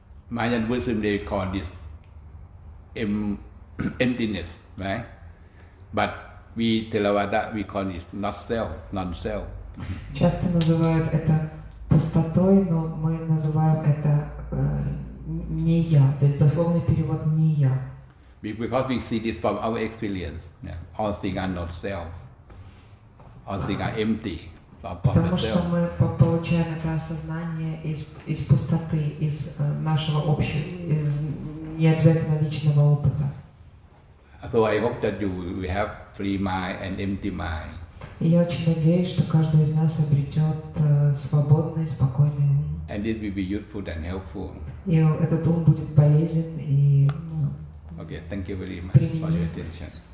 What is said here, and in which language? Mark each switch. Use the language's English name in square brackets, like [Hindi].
[English] Mayan Buddhism, they call this emptiness, right? But we Theravada, we call it not self, non-self. [Russian] Часто называют это пустотой, но мы называем это не я. То есть дословный перевод не я. [English] Because we see this from our experience, yeah? All things are not self. All things are empty. [Russian] Потому что мы получаем это осознание из пустоты, из нашего общего, из необязательно личного опыта. [English] So I hope that you will have free mind and empty mind. [Russian] И я очень надеюсь, что каждый из нас обретет свободный, спокойный ум. [English] And it will be useful and helpful. [Russian] И этот ум будет полезен и [English] Okay, thank you very much for your attention.